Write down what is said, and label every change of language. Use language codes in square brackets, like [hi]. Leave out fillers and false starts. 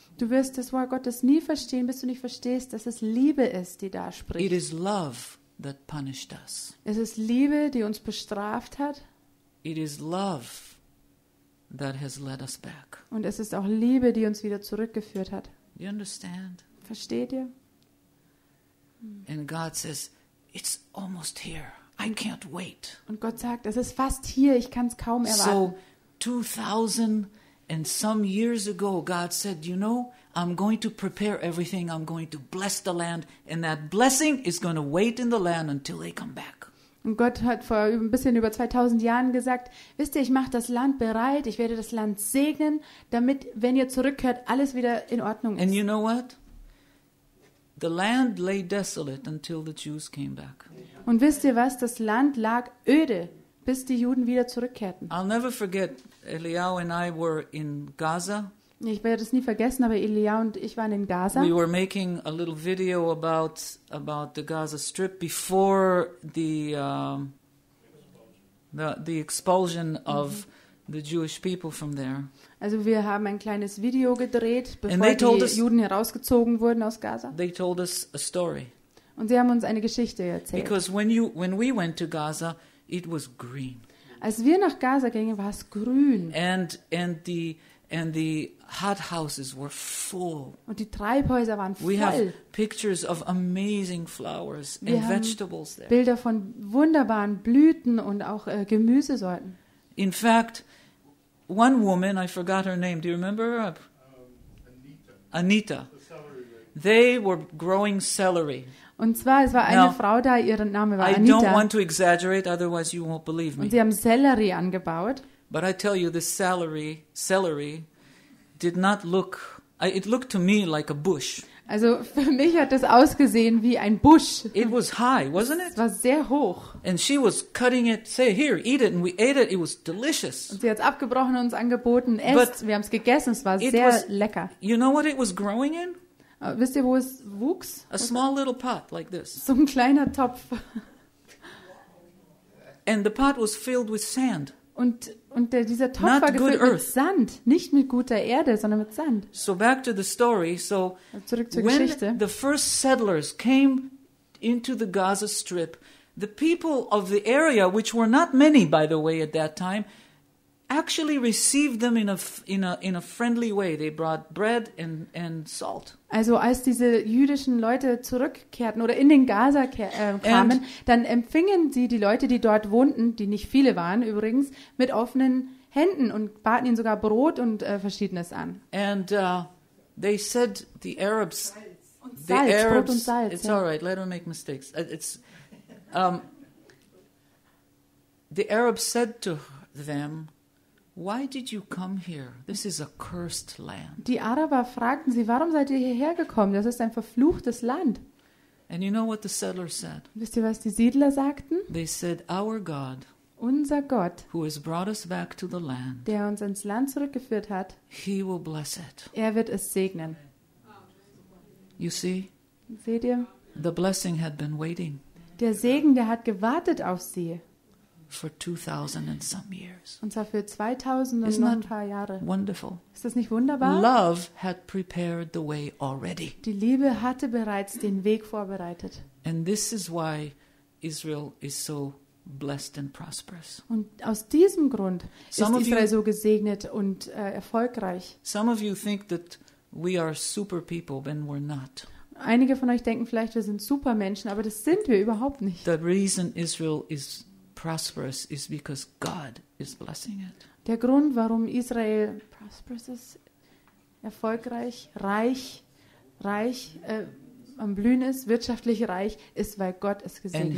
[de] Du wirst das Wort Gottes nie verstehen, bis du nicht verstehst, dass es Liebe ist, die da spricht. [en] It is love that punished us. [de] Es ist Liebe, die uns bestraft hat. [en] It is love that has led us back. [de] Und es ist auch Liebe, die uns wieder zurückgeführt hat. [en] You understand? [de] Versteht ihr? [en] And God says, it's almost here. I can't wait. [de] Und Gott sagt, es ist fast hier, ich kann es kaum erwarten. [en] So 2000 and some years ago, God said, you know, I'm going to prepare everything. I'm going to bless the land. And that blessing is going to wait in the land until they come back. [de] Und Gott hat vor ein bisschen über 2000 Jahren gesagt, wisst ihr, ich mache das Land bereit, ich werde das Land segnen, damit, wenn ihr zurückkehrt, alles wieder in Ordnung ist. [en] And you know what? The land lay desolate until the Jews came back. [de] Und wisst ihr was? Das Land lag öde, bis die Juden wieder zurückkehrten. [en] I'll never forget, Eliyahu and I were in Gaza. [de] Ich werde es nie vergessen, aber Eliyahu und ich waren in Gaza. [en] We were making a little video about the Gaza Strip before the expulsion of the Jewish people from there. [de] Also wir haben ein kleines Video gedreht, bevor die Juden herausgezogen wurden aus Gaza. [en] They told us a story. [de] Und sie haben uns eine Geschichte erzählt. [en] Because when we went to Gaza, it was green. [de] Als wir nach Gaza gingen, war es grün. [en] And the hot houses were full. [de] Und die Treibhäuser waren voll. [en] We have pictures of amazing flowers and vegetables there. [de] Bilder von wunderbaren Blüten und auch Gemüsesorten. [en] In fact, one woman, I forgot her name. Do you remember her? Anita. The celery. They were growing celery. [de] Und zwar, es war eine Frau da, ihr Name war Anita. [en] I don't want to exaggerate, otherwise you won't believe me. [de] Und sie haben Sellerie angebaut. [en] But I tell you, this celery did not look, it looked to me like a bush. [de] Also für mich hat das ausgesehen wie ein Busch. [en] It was high, wasn't it? [de] Es war sehr hoch. [en] And she was cutting it, say, here, eat it. And we ate it, it was delicious. [de] Und sie hat es abgebrochen und uns angeboten, esst, wir haben es gegessen, es war sehr lecker. [en] You know what it was growing in? [de] Wisst ihr, wo es wuchs? [en] A small little pot like this. [de] So ein kleiner Topf. [en] And the pot was filled with sand. [de] Und dieser Topf war gefüllt mit Sand, nicht mit guter Erde, sondern mit Sand. [en] So back to the story. So [de] zurück zur Geschichte. [en] When the first settlers came into the Gaza Strip, the people of the area, which were not many, by the way, at that time, actually received them in a friendly way. They brought bread and salt. [de] Also als diese jüdischen Leute zurückkehrten oder in den Gaza kamen, dann empfingen sie die Leute, die dort wohnten, die nicht viele waren übrigens, mit offenen Händen und baten ihnen sogar Brot und Verschiedenes an. [en] And they said the Arabs, [de] Salz. The Salz, Arabs, Brot und Salz. [en] It's all right. Let them make mistakes. It's the Arabs said to them, why did you come here? This is a cursed land. [de] Die Araber fragten sie, warum seid ihr hierher gekommen? Das ist ein verfluchtes Land. [en] And you know what the settlers said? [de] Wisst ihr, was die Siedler sagten? [en] They said, our God, [de] unser Gott, [en] who has brought us back to the land, [de] der uns ins Land zurückgeführt hat, [en] he will bless it. [de] Er wird es segnen. [en] You see? [de] Seht ihr? [en] The blessing had been waiting. [de] Der Segen, der hat gewartet auf sie. [en] For 2000 and some years. [de] Und zwar für 2000 und noch ein paar Jahre. [en] Wonderful. [de] Ist das nicht wunderbar? [en] Love had prepared the way already. [de] Die Liebe hatte bereits den Weg vorbereitet. [en] And this is why Israel is so blessed and prosperous. [de] Und aus diesem Grund ist Israel so gesegnet und erfolgreich. [en] Some of you think that we are super people, but we're not. [de] Einige von euch denken vielleicht, wir sind Supermenschen, aber das sind wir überhaupt nicht. [en] The reason Israel is prosperous is because God is blessing it. [de] Der Grund, warum Israel prosperous ist, erfolgreich, reich, am Blühen ist, wirtschaftlich reich, ist, weil Gott es gesegnet